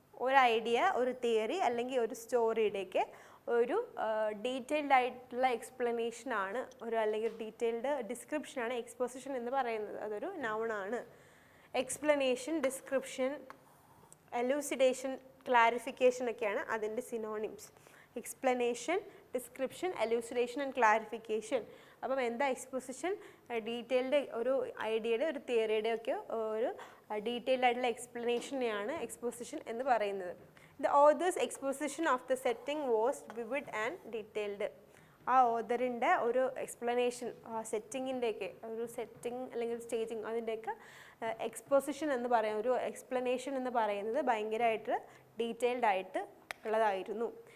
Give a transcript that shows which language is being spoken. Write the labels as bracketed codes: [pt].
[ml] ഒരു ഐഡിയ, ഒരു തിയറി, അല്ലെങ്കിൽ ഒരു സ്റ്റോറിയുടെയൊക്കെ ഒരു ഡീറ്റെയിൽഡ് ആയിട്ടുള്ള എക്സ്പ്ലനേഷൻ ആണ് ഒരു, അല്ലെങ്കിൽ ഒരു ഡീറ്റെയിൽഡ് ഡിസ്ക്രിപ്ഷൻ ആണ് എക്സ്പൊസിഷൻ എന്ന് പറയുന്നത്. അതൊരു നൗണാണ്. എക്സ്പ്ലനേഷൻ, ഡിസ്ക്രിപ്ഷൻ, എലൂസിഡേഷൻ, ക്ലാരിഫിക്കേഷൻ ഒക്കെയാണ് അതിൻ്റെ synonyms. [en] explanation, description, elucidation and clarification. [ml] അപ്പം എന്താ എക്സ്പൊസിഷൻ? ഡീറ്റെയിൽഡ് ഒരു ഐഡിയയുടെ ഒരു തിയറിയുടെ ഒക്കെ ഒരു ഡീറ്റെയിൽഡ് ആയിട്ടുള്ള എക്സ്പ്ലനേഷനെയാണ് എക്സ്പൊസിഷൻ എന്ന് പറയുന്നത്. [en] The author's exposition of the setting was vivid and detailed. [ml] ആ ഓതറിൻ്റെ ഒരു എക്സ്പ്ലനേഷൻ സെറ്റിങ്ങിൻ്റെയൊക്കെ ഒരു സെറ്റിംഗ് അല്ലെങ്കിൽ സ്റ്റേജിങ് അതിൻ്റെയൊക്കെ എക്സ്പൊസിഷൻ എന്ന് പറയുന്ന ഒരു എക്സ്പ്ലനേഷൻ എന്ന് പറയുന്നത് ഭയങ്കരമായിട്ട് ഡീറ്റെയിൽഡ് ആയിട്ട് ഉള്ളതായിരുന്നു.